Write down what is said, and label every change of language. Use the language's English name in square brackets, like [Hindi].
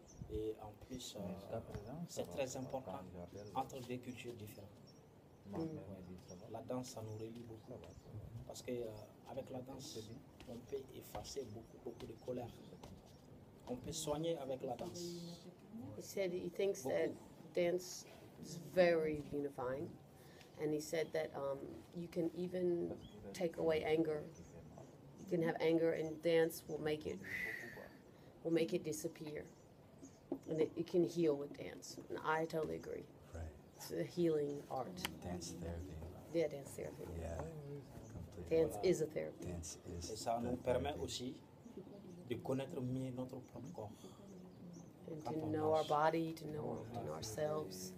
[French] Et en plus, c'est très important entre des cultures différentes. La danse, ça nous relie beaucoup. Parce que avec la danse, on peut effacer beaucoup de colère. On peut soigner avec la danse. [English] He said he thinks that dance is very unifying, and he said that you can even take away anger. You can have anger, and dance will make it disappear, and it can heal with dance. And I totally agree. Right. It's a healing art. Dance therapy. Yeah, dance therapy. Yeah. Dance [French] voilà. [English] is a therapy. Dance is [French] et ça nous permet aussi de connaître mieux notre propre corps. [English] And to know our body, to know ourselves.